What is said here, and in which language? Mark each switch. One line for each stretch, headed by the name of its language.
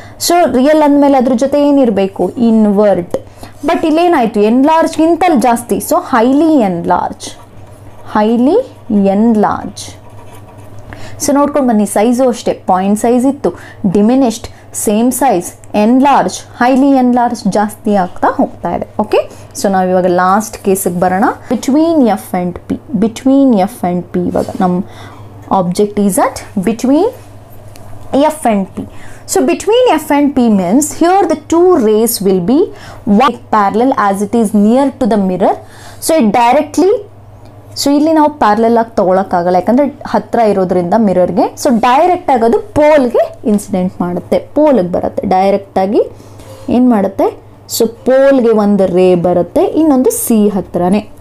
Kannada: So real ಅಂದಮೇಲೆ ಅದ್ರ ಜೊತೆ ಏನಿರಬೇಕು? ಇನ್ವರ್ಟ್. ಬಟ್ ಇಲ್ಲೇನಾಯಿತು? ಎನ್ಲಾರ್ಜ್ಗಿಂತ ಜಾಸ್ತಿ. So highly enlarge, highly enlarge. So ನೋಡ್ಕೊಂಡು ಬನ್ನಿ, ಸೈಜು ಅಷ್ಟೇ, ಪಾಯಿಂಟ್ ಸೈಜ್ ಇತ್ತು, diminished.
English: same size, enlarge, highly enlarge,
Kannada: jaasti aagta hogta ide.
English: Okay, so now
Kannada: ivaga last case ge barana,
English: between f and p, between f and p
Kannada: ivaga nam
English: object is at between f and p. So between f and p means here the two rays will be one parallel as it is near to the mirror. So it directly,
Kannada: so ಇಲ್ಲಿ ನಾವು parallel ಆಗಿ ತಗೊಳಕ್ ಆಗಲ್ಲ ಯಾಕಂದ್ರೆ ಹತ್ರ ಇರೋದ್ರಿಂದ ಮಿರರ್ಗೆ. So direct ಆಗಿ ಅದು ಪೋಲ್ಗೆ ಇನ್ಸಿಡೆಂಟ್ ಮಾಡುತ್ತೆ, ಪೋಲ್ಗೆ ಬರುತ್ತೆ ಡೈರೆಕ್ಟ್ ಆಗಿ. ಏನ್ ಮಾಡುತ್ತೆ, ಸೊ ಪೋಲ್ಗೆ ಒಂದು ರೇ ಬರುತ್ತೆ, ಇನ್ನೊಂದು ಸಿ ಹತ್ರನೇ.